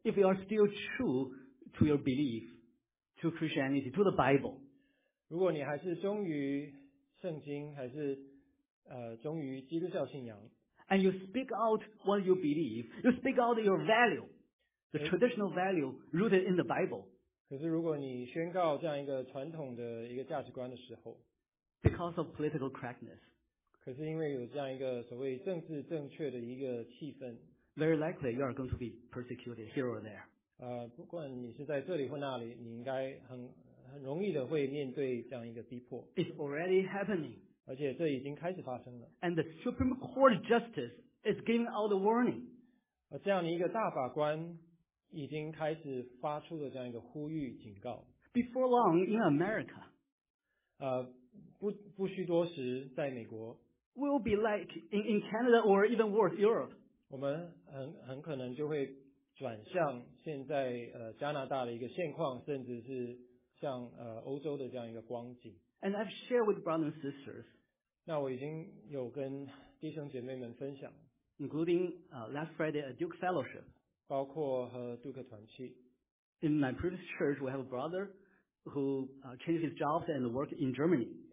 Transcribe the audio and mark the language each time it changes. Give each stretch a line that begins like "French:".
English: if you are still true to your belief to Christianity, to the Bible
Chinese: 如果你还是忠于圣经还是、忠于基督教信仰
English: and you speak out what you believe you speak out your valueThe traditional value rooted in the Bible.
Chinese: 可是如果你宣告这样一个传统的一个价值观的时候
English: ，because of political correctness.
Chinese: 可是因为有这样一个所谓政治正确的一个气氛
English: ，very likely you are going to be persecuted here or there.
Chinese: 不管你是在这里或那里，你应该很容易的会面对这样一个逼迫。
English: It's already happening.
Chinese: 而且这已经开始发生了。
English: And the Supreme Court Justice is giving out the warning.
Chinese: 而这样的一个大法官已经开始发出了这样一个呼吁警告。
English: Before long in America,
Chinese: 不需多时，在美国
English: ，will be like in Canada or even worse Europe.
Chinese: 我们很可能就会转向现在加拿大的一个现况，甚至是像欧洲的这样一个光景。
English: And I've shared with brothers and sisters.
Chinese: 那我已经有跟弟兄姐妹们分享。
English: Including last Friday a Duke Fellowship.
Chinese: 包括和杜克团契。
English: In my previous church, we have a brother who changed his job and worked in Germany.